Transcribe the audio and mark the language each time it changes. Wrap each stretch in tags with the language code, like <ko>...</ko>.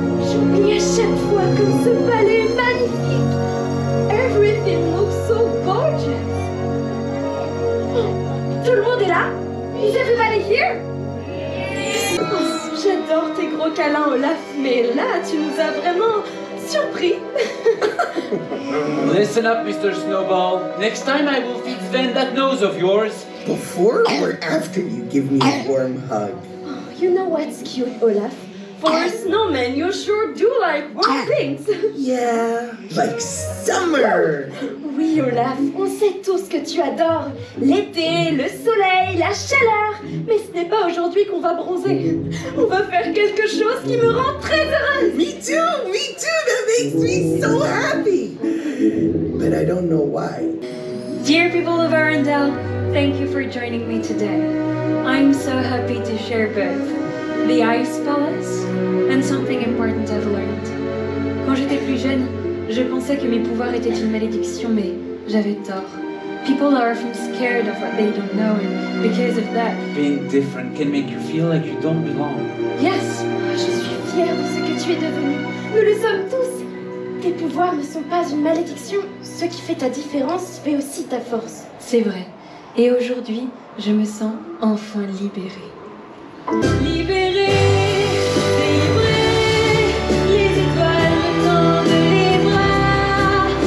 <fr>J'oublie à chaque fois comme ce palais est magnifique.</fr> <en>Everything looks so gorgeous.</en> <fr>Tout le monde est là?</fr> <en>Is everybody here?</en> <fr>Oh, j'adore tes gros câlins, Olaf, mais là, tu nous as vraiment surpris.</fr> <en>Listen up, Mr. Snowball. Next time I will feed Sven that nose of yours. Before or after you give me a warm hug? Oh, you know what's cute, Olaf? For a snowman, you sure do like warm things. Yeah, like summer.</en> <fr>Oui, Olaf, on sait tous que tu adores l'été, le soleil, la chaleur. Mais ce n'est pas aujourd'hui qu'on va bronzer. On va faire quelque chose qui me rend très heureuse.</fr> <en>Me too, that makes me so happy. But I don't know why. Dear people of Arendelle, thank you for joining me today. I'm so happy to share both the ice palace and something important I've learned.</en> <fr>Quand j'étais plus jeune, je pensais que mes pouvoirs étaient une malédiction, mais j'avais tort.</fr> <en>People are often scared of what they don't know, and because of that... Being different can make you feel like you don't belong.</en> <fr>Yes, je suis fière de ce que tu es devenue. Nous le sommes tous. Tes pouvoirs ne sont pas une malédiction. Ce qui fait ta différence fait aussi ta force. C'est vrai. Et aujourd'hui, je me sens enfin libérée. Libérée, délivrée, les étoiles me tendent les bras.</fr>